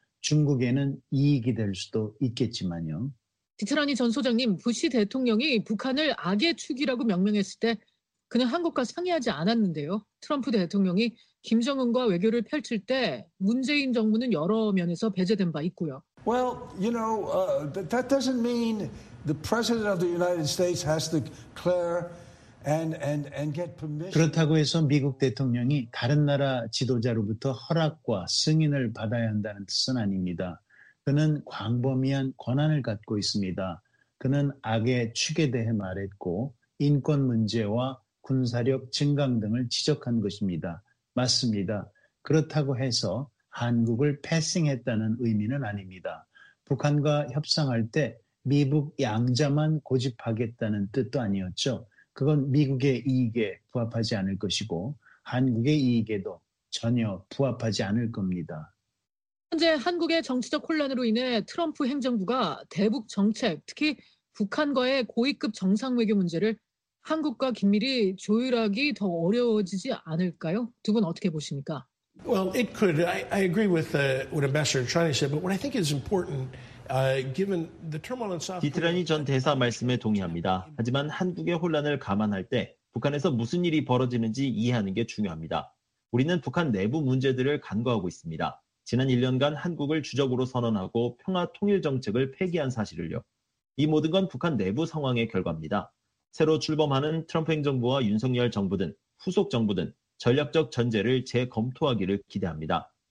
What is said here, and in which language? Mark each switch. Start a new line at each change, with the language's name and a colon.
Korean: 중국에는 이익이 될 수도 있겠지만요. 디트라니 전 소장님, 부시 대통령이 북한을 악의 축이라고 명명했을 때 그는 한국과 상의하지 않았는데요. 트럼프 대통령이 김정은과 외교를 펼칠 때 문재인 정부는 여러 면에서 배제된 바 있고요.
English: Well, you know, that doesn't mean the president of the United States has to declare and get permission.
Korean: 그렇다고 해서 미국 대통령이 다른 나라 지도자로부터 허락과 승인을 받아야 한다는 뜻은 아닙니다. 그는 광범위한 권한을 갖고 있습니다. 그는 악의 축에 대해 말했고 인권 문제와 군사력 증강 등을 지적한 것입니다. 맞습니다. 그렇다고 해서 한국을 패싱했다는 의미는 아닙니다. 북한과 협상할 때 미국 양자만 고집하겠다는 뜻도 아니었죠. 그건 미국의 이익에 부합하지 않을 것이고 한국의 이익에도 전혀 부합하지 않을 겁니다. 현재 한국의 정치적 혼란으로 인해 트럼프 행정부가 대북 정책, 특히 북한과의 고위급 정상 외교 문제를 한국과 긴밀히 조율하기 더 어려워지지 않을까요? 두 분 어떻게 보십니까?
English: Well, it could. I agree with what Ambassador Chani said, but what I think is important, given the turmoil in South.
Korean: 디트라니 전 대사 말씀에 동의합니다. 하지만 한국의 혼란을 감안할 때 북한에서 무슨 일이 벌어지는지 이해하는 게 중요합니다. 우리는 북한 내부 문제들을 간과하고 있습니다. 지난 1년간 한국을 주적으로 선언하고 평화 통일 정책을 폐기한 사실을요. 이 모든 건 북한 내부 상황의 결과입니다. 새로 출범하는 트럼프 행정부와 윤석열 정부든 후속 정부든 전략적 전제를 재검토하기를 기대합니다.